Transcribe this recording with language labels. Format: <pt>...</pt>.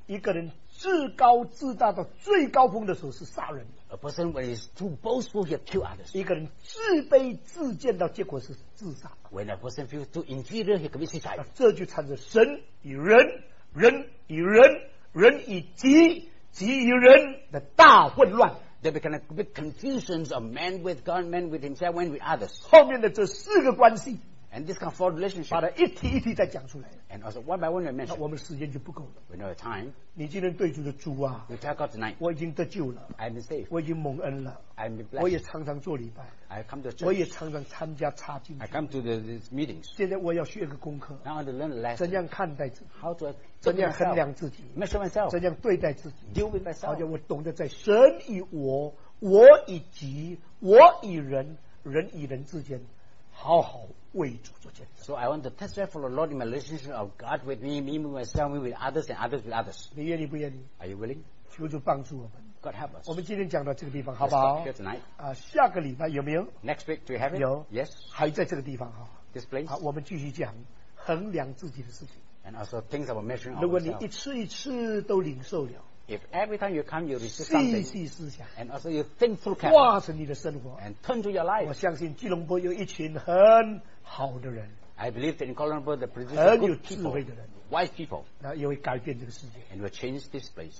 <zh>一个人自高自大到最高峰的时候是杀人。</zh> <en>A person when he's too boastful, he'll kill others.</en> <zh>一个人自卑自贱到结果是自杀。</zh> <en>When a person feels too inferior, he commits suicide.</en> <zh>那这就产生神与人，人与人，人与己，己与人的大混乱。</zh> <en>There can be confusions of man with God, man with himself, man with others.</en> <zh>后面的这四个关系，</zh> <en>and this kind of four relationship,</en> <zh>把它一题一题再讲出来。</zh> <en>And also one by one we mention.</en> <zh>那我们时间就不够了。</zh> <en>We don't have time.</en> <zh>你今天对主的主啊，</zh> <en>we tell God tonight,</en> <zh>我已经得救了。</zh> <en>I'm saved.</en> <zh>我已经蒙恩了。</zh> <en>I'm blessed.</en> <zh>我也常常做礼拜。</zh> <en>I come to church.</en> <zh>我也常常参加查经。</zh> <en>I come to these meetings.</en> <zh>现在我要学一个功课。</zh> <en>Now I want to learn a lesson.</en> <zh>怎样看待自己？</zh> <en>How to</en> <zh>怎样衡量自己？</zh> <en>Measure myself.</en> <zh>怎样对待自己？</zh> <en>Deal with myself.</en> <zh>好像我懂得在神与我，我与己，我与人，人与人之间，好好为主做见证。</zh> <en>So I want to testify for the Lord in my relationship of God with me, me with myself, me with others, and others with others.</en> <zh>你愿意不愿意？</zh> <en>Are you willing?</en> <zh>求主帮助我们。</zh> <en>God help us.</en> <zh>我们今天讲到这个地方，好不好？</zh> <en>Here tonight.</en> <zh>下个礼拜有没有？</zh> <en>Next week, do you have it?</en> <zh>有。</zh> <en>Yes.</en> <zh>还在这个地方哈。</zh> <en>This place.</en> <zh>好，我们继续讲衡量自己的事情。</zh> <en>And also things about measuring.</en> <zh>如果你一次一次都领受了。</zh> <en>If every time you come, you receive something.</en> <zh>细细思想。</zh> <en>And also you think through carefully.</en> <zh>化成你的生活。</zh> <en>And turn to your life.</en> <zh>我相信吉隆坡有一群很好的人。</zh> <en>I believe that in Kuala Lumpur, the producers are good people.</en> <zh>很有智慧的人。</zh> <en>Wise people.</en> <zh>那也会改变这个世界。</zh> <en>And will change this place.</en>